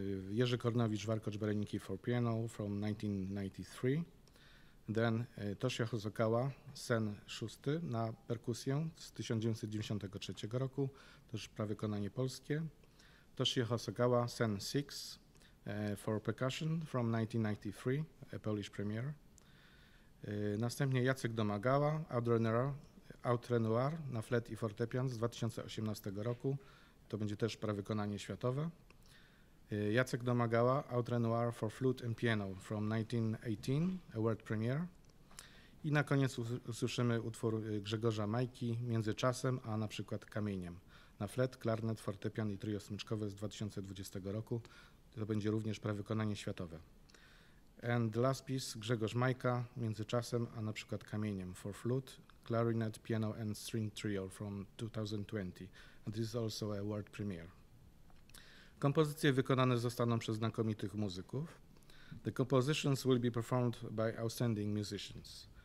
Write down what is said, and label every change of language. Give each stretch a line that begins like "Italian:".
English: Jerzy Kornowicz, warkocz Bereniki for piano from 1993.
Polish: Then Toshio Hosokawa, sen szósty na perkusję z 1993 roku, też prawykonanie polskie.
English: Toshio Hosokawa, sen six for percussion from 1993, a Polish premiere.
Polish: Następnie Jacek Domagała, Outre Noir na flet i fortepian z 2018 roku. To będzie też prawykonanie światowe.
English: Jacek Domagała, Outre Noir for flute and piano from 1918, a world premiere.
Polish: I na koniec usłyszymy utwór Grzegorza Majki, Między czasem, a na przykład Kamieniem, na flet, klarnet, fortepian i trio smyczkowe z 2020 roku. To będzie również prawykonanie światowe.
English: And last piece, Grzegorz Majka, Między czasem, a na przykład Kamieniem, for flute, clarinet, piano and string trio from 2020. And this is also a world premiere.
Polish: Kompozycje wykonane zostaną przez znakomitych muzyków.
English: The compositions will be performed by outstanding musicians.